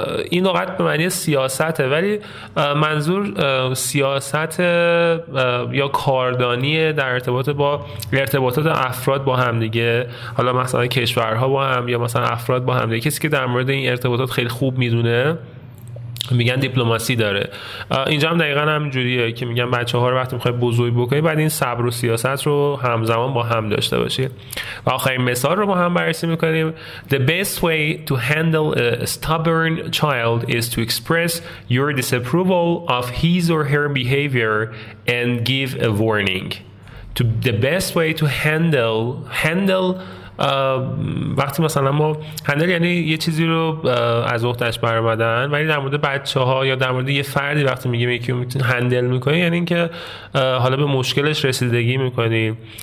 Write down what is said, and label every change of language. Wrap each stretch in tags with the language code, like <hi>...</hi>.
<fa>این لغت به معنی سیاسته، ولی منظور سیاست یا کاردانی در ارتباط با ارتباطات افراد با هم دیگه، حالا مثلا کشورها با هم یا مثلا افراد با هم دیگه. کسی که در مورد این ارتباطات خیلی خوب میدونه میگن دیپلماسی داره. اینجا هم دقیقا همینجوریه که میگن بچه ها رو وقتی میخوای بزرگ بکنی بعد این صبر و سیاست رو همزمان با هم داشته باشی. و آخرین مثال رو با هم بررسی میکنیم.</fa> <en>The best way to handle a stubborn child is to express your disapproval of his or her behavior and give a warning. The best way to handle</en> <fa>وقتی مثلا ما هندل یعنی یه چیزی رو از اختش برمدن، ولی در مورد بچه ها یا در مورد یه فردی وقتی میگیم یکی رو میتونی هندل میکنی یعنی این که حالا به مشکلش رسیدگی میکنی.</fa>